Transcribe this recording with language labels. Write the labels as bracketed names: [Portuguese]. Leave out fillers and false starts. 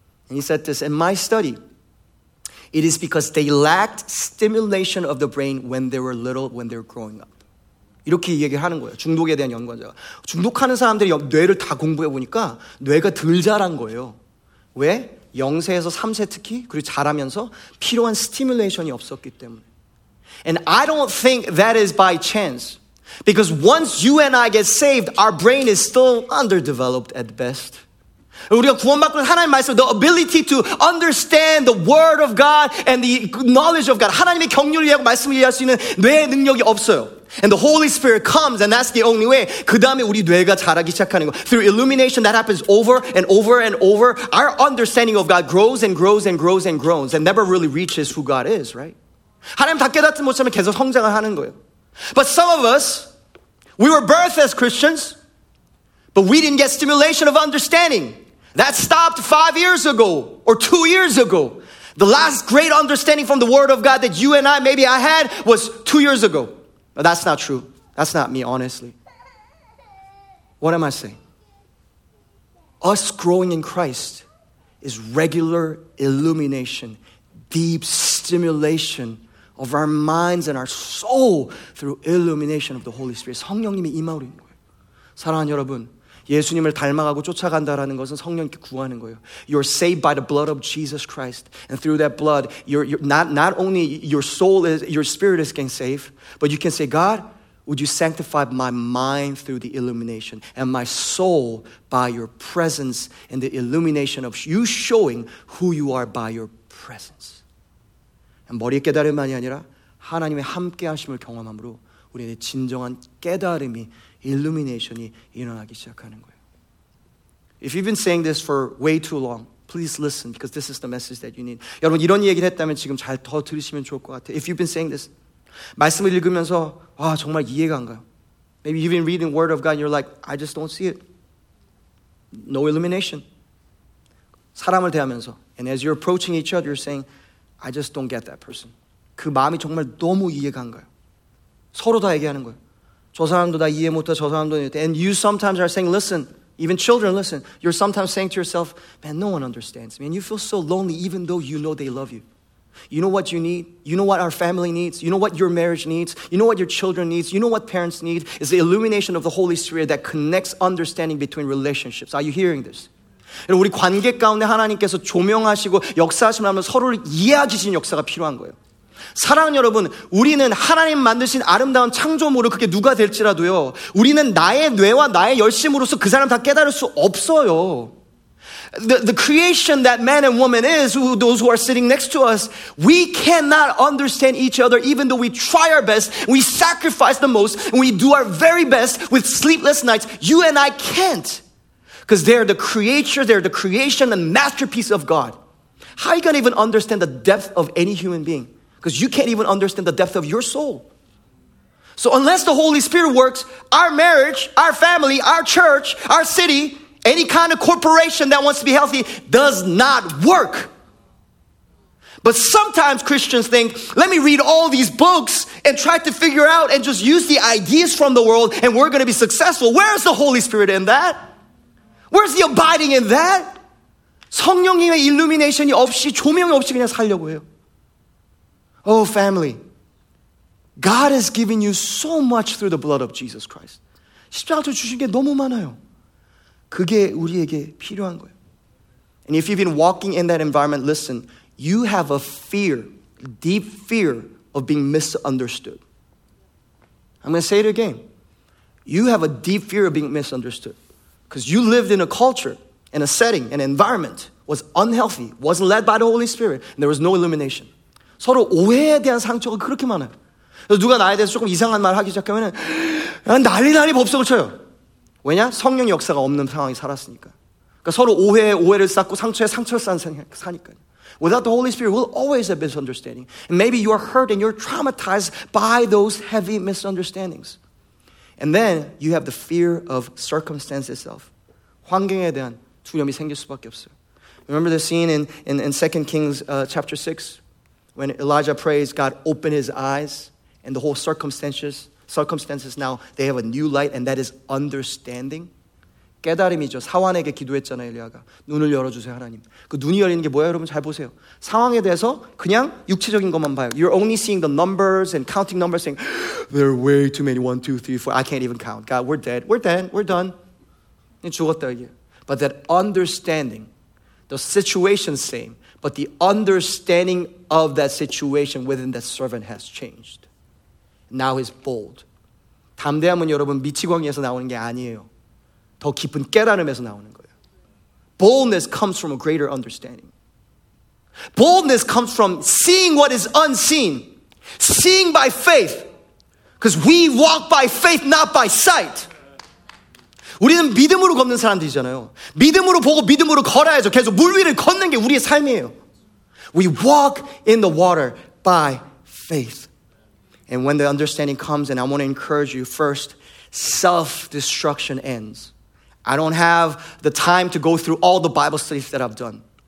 [English] And he said this in my study It is because they lacked stimulation of the brain when they were little, when they were growing up. [Korean] 이렇게 얘기를 하는 거예요. 중독에 대한 연관자가. 중독하는 사람들이 뇌를 다 공부해 보니까 뇌가 덜 자란 거예요. 왜? 0세에서 3세 특히, 그리고 자라면서 필요한 스티뮬레이션이 없었기 때문에. [English] And I don't think that is by chance. Because once you and I get saved, our brain is still underdeveloped at best. [Korean] 우리가 구원받고 하나님 말씀, [English] the ability to understand the word of God and the knowledge of God. [Korean] 하나님의 경륜을 이해하고 말씀을 이해할 수 있는 뇌의 능력이 없어요. [English] And the Holy Spirit comes and that's the only way. [Korean] 그 다음에 우리 뇌가 자라기 시작하는 거. [English] Through illumination that happens over and over and over, our understanding of God grows and grows and grows and groans and never really reaches who God is, right? [Korean] 하나님 다 깨닫지 못하면 계속 성장을 하는 거예요. [English] But some of us, we were birthed as Christians, but we didn't get stimulation of understanding. That stopped 5 years ago or 2 years ago. The last great understanding from the word of God that you and I, maybe I had, was 2 years ago. Now, that's not true. That's not me, honestly. What am I saying? Us growing in Christ is regular illumination, deep stimulation of our minds and our soul through illumination of the Holy Spirit. [Korean] 성령님이 임하는 거예요. 사랑하는 여러분. 예수님을 닮아가고 쫓아간다라는 것은 성령께 구하는 거예요. [English] You're saved by the blood of Jesus Christ. And through that blood, not only your soul, your spirit is getting saved, but you can say, God, would you sanctify my mind through the illumination and my soul by your presence and the illumination of you showing who you are by your presence. [Korean] And 머리의 깨달음만이 아니라 하나님의 함께하심을 경험함으로 우리의 진정한 깨달음이 illumination이 일어나기 시작하는 거예요. [English] If you've been saying this for way too long, please listen because this is the message that you need. [Korean] 여러분 이런 얘기를 했다면 지금 잘 더 들으시면 좋을 것 같아요. [English] If you've been saying this, [Korean] 말씀을 읽으면서 아 정말 이해가 안 가요. [English] Maybe you've been reading Word of God and you're like, I just don't see it. No illumination. [Korean] 사람을 대하면서 [English] and as you're approaching each other, you're saying, I just don't get that person. [Korean] 그 마음이 정말 너무 이해가 안 가요. 서로 다 얘기하는 거예요. 저 사람도 다 이해 못해, 저 사람도 이해 못해. [English] And you sometimes are saying, listen, even children, listen, you're sometimes saying to yourself, man, no one understands me. And you feel so lonely even though you know they love you. You know what you need? You know what our family needs? You know what your marriage needs? You know what your children needs? You know what parents need? It's the illumination of the Holy Spirit that connects understanding between relationships. Are you hearing this? [Korean] 여러분, 우리 관계 가운데 하나님께서 조명하시고 역사하시면 하면 서로를 이해하게 하시는 역사가 필요한 거예요. 사랑하는 여러분 우리는 하나님 만드신 아름다운 창조물을 그게 누가 될지라도요 우리는 나의 뇌와 나의 열심으로서 그 사람 다 깨달을 수 없어요 [English] The creation that man and woman is, who, those who are sitting next to us, we cannot understand each other even though we try our best, we sacrifice the most, and we do our very best with sleepless nights. You and I can't. Because they're the creature, they're the creation, the masterpiece of God. How are you going to even understand the depth of any human being? Because you can't even understand the depth of your soul. So unless the Holy Spirit works, our marriage, our family, our church, our city, any kind of corporation that wants to be healthy does not work. But sometimes Christians think, let me read all these books and try to figure out and just use the ideas from the world and we're going to be successful. Where is the Holy Spirit in that? Where's the abiding in that? [Korean] 성령님의 illumination이 없이 조명이 없이 그냥 살려고 해요. [English] Oh, family. God has given you so much through the blood of Jesus Christ. [Korean] 십자가에서 주신 게 너무 많아요. 그게 우리에게 필요한 거예요. [English] And if you've been walking in that environment, listen, you have a fear, deep fear of being misunderstood. I'm going to say it again. You have a deep fear of being misunderstood because you lived in a culture, in a setting, an environment was unhealthy, wasn't led by the Holy Spirit, and there was no illumination. [Korean] 서로 오해에 대한 상처가 그렇게 많아요. 그래서 누가 나에 대해서 조금 이상한 말 하기 시작하면 난리 법석을 쳐요. 왜냐? 성령 역사가 없는 상황이 살았으니까. 그러니까 서로 오해에 오해를 쌓고 상처에 상처를 쌓으니까. [English] Without the Holy Spirit, we'll always have misunderstanding. And maybe you are hurt and you're traumatized by those heavy misunderstandings. And then you have the fear of circumstance itself. [Korean] 환경에 대한 두려움이 생길 수밖에 없어요. [English] Remember the scene in 2 Kings chapter 6? When Elijah prays, God opened his eyes and the whole circumstances now, they have a new light, and that is understanding. [Korean] 깨달음이죠. 사환에게 기도했잖아요, 엘리야가. 눈을 열어주세요, 하나님. 그 눈이 열리는 게 뭐야, 여러분? 잘 보세요. 상황에 대해서 그냥 육체적인 것만 봐요. [English] You're only seeing the numbers and counting numbers saying, there are way too many, 1, 2, 3, 4, I can't even count. God, we're dead. We're dead. We're done. [Korean] 죽었다, 이게. [English] But that understanding, the situation same, but the understanding of that situation within that servant has changed. Now he's bold. [Korean] 담대함은 여러분 미치광이에서 나오는 게 아니에요. 더 깊은 깨달음에서 나오는 거예요. [English] Boldness comes from a greater understanding. Boldness comes from seeing what is unseen. Seeing by faith. Because we walk by faith, not by sight. [Korean] 우리는 믿음으로 걷는 사람들이잖아요. 믿음으로 보고 믿음으로 걸어야죠. 계속 물 위를 걷는 게 우리의 삶이에요. [English] We walk in the water by faith. And when the understanding comes, and I want to encourage you, first, self-destruction ends. I don't have the time to go through all the Bible studies that I've done.